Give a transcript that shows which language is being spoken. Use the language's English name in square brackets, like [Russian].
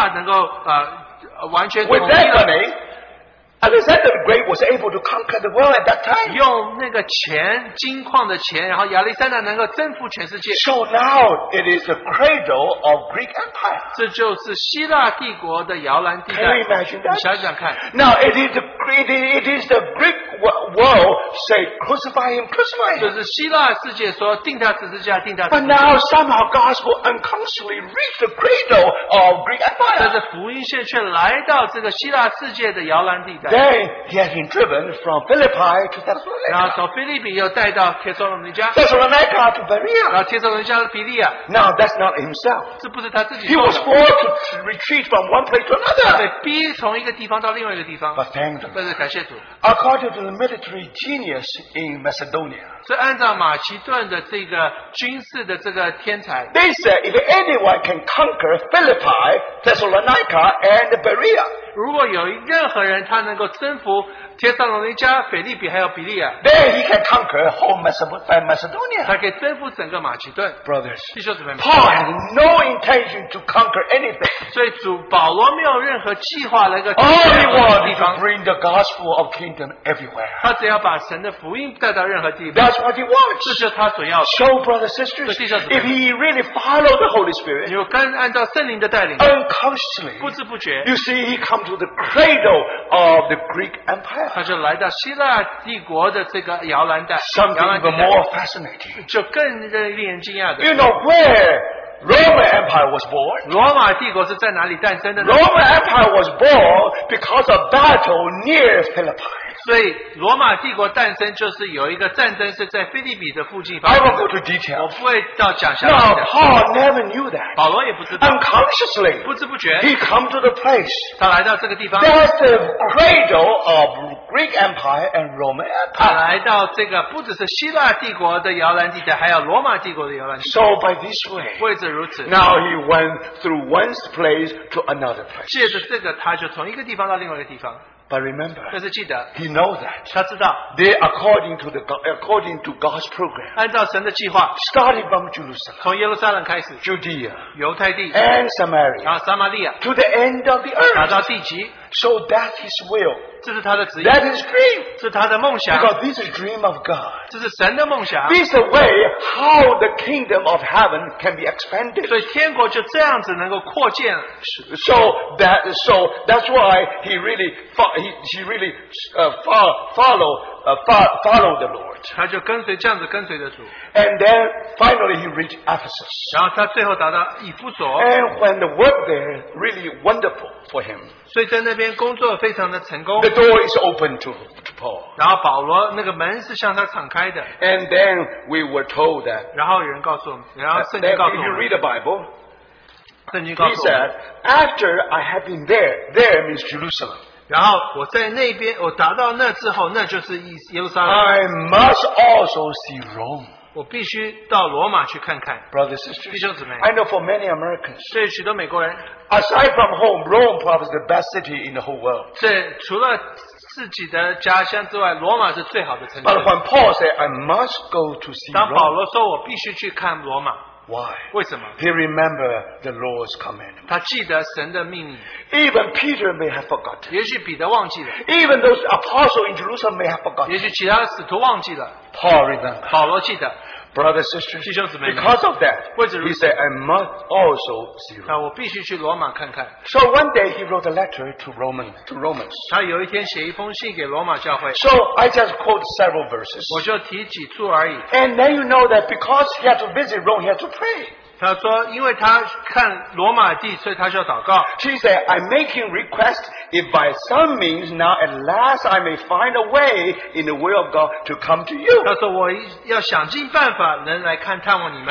[Chinese] 所以他的父亲就把希腊能够完全统一了。 [English] Alexander the Great was able to conquer the world at that time. [Chinese] 用那个钱, 金矿的钱, 然后亚历山大能够征服全世界, [English] so now it is the cradle of Greek Empire. [Chinese] 这就是希腊帝国的摇篮地带, [English] can you imagine that? [Chinese] 你想想看, [English] now it is the Greek world say crucify him, crucify him. [Chinese] 就是希腊世界说, 定他十字架, 定他十字架. [English] But now somehow gospel unconsciously reached the cradle of Greek Empire. [Chinese] 但是福音线却来到这个希腊世界的摇篮地带, [English] then he has been driven from Philippi to Thessalonica. [Chinese] 然后从菲律宾又带到帖撒罗尼迦, [English] Thessalonica to Berea. [Chinese] 然后帖撒罗尼迦比利亚, [English] now that's not himself. [Chinese] 这不是他自己说的, [English] he was forced to retreat from one place to another. [Chinese] 他被逼从一个地方到另外一个地方, [English] but thank God, [Chinese] 但是感谢主, [English] according to the military genius in Macedonia, [Chinese] 所以按照马其顿的这个军事的这个天才, [English] they said if anyone can conquer Philippi, Thessalonica and Berea, [Chinese] 如果有任何人他能够征服帖撒罗尼迦、腓立比还有比利亚, [English] then he can conquer whole Macedonia. [Chinese] 他可以征服整个马其顿, [English] brothers, [Chinese] 弟兄姊妹们, [English] Paul had no intention to conquer anything. [Chinese] 所以主保罗没有任何计划来个征服, [English] all he wanted to bring the gospel of kingdom everywhere. [Chinese] 他只要把神的福音带到任何地方, [English] that's what he wants. [Chinese] 这就是他所要的, [English] so brothers and sisters, [Chinese] 弟兄姊妹们, [English] if he really followed the Holy Spirit, [Chinese] 你有跟按照圣灵的带领, [English] unconsciously, [Chinese] 不知不觉, [English] you see he come to the cradle of the Greek Empire. [Chinese] 他就来到希腊帝国的这个摇篮带, [English] something even more fascinating. [Chinese] 就更令人惊讶的, [English] you know where Roman Empire was born. [Chinese] 罗马帝国是在哪里诞生的呢? [English] Roman Empire was born because of battle near Philippi. [Chinese] 所以罗马帝国诞生就是有一个战争是在菲利比的附近发生的。 [English] I will go to detail. [Chinese] 我不会到讲详细的。 [English] Now Paul never knew that. [Chinese] 保罗也不知道。 [English] Unconsciously, [Chinese] 不知不觉, [English] he come to the place. [Chinese] 他来到这个地方, [English] that's the cradle of Greek Empire and Roman Empire. [Chinese] 他来到这个不只是希腊帝国的摇篮地带，还有罗马帝国的摇篮地带。 [English] So by this way, [Chinese] 或者如此, [English] now he went through one place to another place. [Chinese] 借着这个，他就从一个地方到另外一个地方。 [English] But remember, [Chinese] 但是记得, [English] he knows that. [Chinese] 他知道, [English] they according to God's program. [Chinese] 按照神的计划, [English] starting from Jerusalem. [Chinese] 从耶路撒冷开始, [English] Judea. [Chinese] 犹太地, [English] and Samaria. [Chinese] 然后撒玛利亚, [English] to the end of the earth. [Chinese] 达到地极, [English] so that's his will. [Chinese] 这是他的旨意, [English] that is dream. [Chinese] 是他的梦想, [English] because this is dream of God. [Chinese] 这是神的梦想, [English] this is the way how the kingdom of heaven can be expanded. [Chinese] 所以天国就这样子能够扩建, [English] so that's why he really follow the Lord. [Chinese] 他就跟随这样子跟随着主。 [English] And then finally he reached Ephesus. [Chinese] 然后他最后达到以弗所。 [English] And when the work there really wonderful for him. [Chinese] 所以在那边工作非常的成功。 [English] The door is open to Paul. [Chinese] 然后保罗那个门是向他敞开的。 [English] And then we were told that. [Chinese] 然后圣经告诉我们。 [English] If you read the Bible, [Chinese] 圣经告诉我们, [English] he said, after I have been there, there means Jerusalem. [Chinese] 然后我在那边，我达到那之后， [English] I must also see Rome. [Chinese] 我必须到罗马去看看。 [English] Brothers and sisters, [Chinese] 弟兄姊妹, [English] I know for many Americans, [Chinese] 对许多美国人, [English] aside from home, Rome probably is the best city in the whole world. [Chinese] 这除了自己的家乡之外， [English] But when Paul said, I must go to see Rome, [Chinese] 当保罗说我必须去看罗马。 [English] Why? [Chinese] 为什么? [English] He remembered the Lord's commandment. [Chinese] 他记得神的命令。 [English] Even Peter may have forgotten. [Chinese] 也许彼得忘记了。 [English] Even those apostles in Jerusalem may have forgotten. [Chinese] 也许其他的使徒忘记了。 [English] Paul remembered. [Chinese] 保罗记得。 [English] Brothers, sisters, [Chinese] 弟兄姊妹, [English] because of that, [Chinese] 或者如此, [English] he said, I must also see Rome. [Chinese] 我必须去罗马看看。 [English] So one day he wrote a letter to Romans. [Chinese] 他有一天写一封信给罗马教会。 [English] So I just quote several verses. [Chinese] 我就提几处而已。 [English] And then you know that because he had to visit Rome, he had to pray. [Chinese] 他说因为他看罗马地, 所以他需要祷告。 [English] She said, I'm making requests if by some means now at last I may find a way in the will of God to come to you. [Chinese] 他说我要想尽办法能来看探望你们。